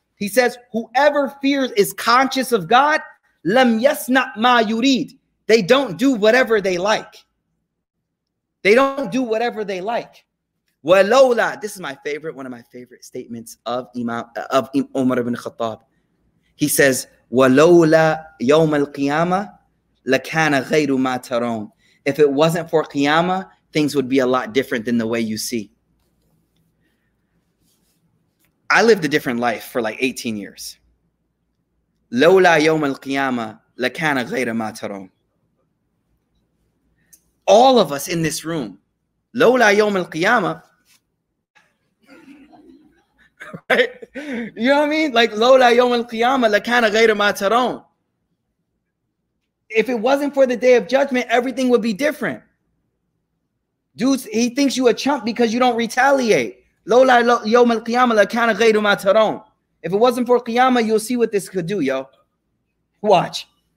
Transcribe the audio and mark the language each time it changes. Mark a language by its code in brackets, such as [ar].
[en] He says, whoever fears is conscious of God, [ar] لَمْ يَسْنَعْ مَا يُرِيدْ. [en] They don't do whatever they like. They don't do whatever they like. [ar] وَلَوْلَا. [en] This is my favorite, one of my favorite statements of Umar ibn Khattab. He says, [ar] وَلَوْلَا يَوْمَ الْقِيَامَةِ لَكَانَ غَيْرُ مَا تَرَوْنَ. [en] If it wasn't for Qiyamah, things would be a lot different than the way you see. I lived a different life for like 18 years. [ar] لَوْلَا يَوْمَ الْقِيَامَةِ لَكَانَ غَيْرَ مَا تَرَوْنَ. [en] All of us in this room, [ar] لَوْلَا يَوْمَ الْقِيَامَةِ, [en] right? You know what I mean? Like, [ar] لَوْلَا يَوْمَ الْقِيَامَةِ لَكَانَ غَيْرَ مَا تَرَوْنَ. [en] If it wasn't for the day of judgment, everything would be different. Dude, he thinks you a chump because you don't retaliate. [ar] لَوْلَا يَوْمَ الْقِيَامَةِ لَكَانَ غَيْرُ مَا تَرَوْنَ. [en] If it wasn't for Qiyamah, you'll see what this could do, yo. Watch.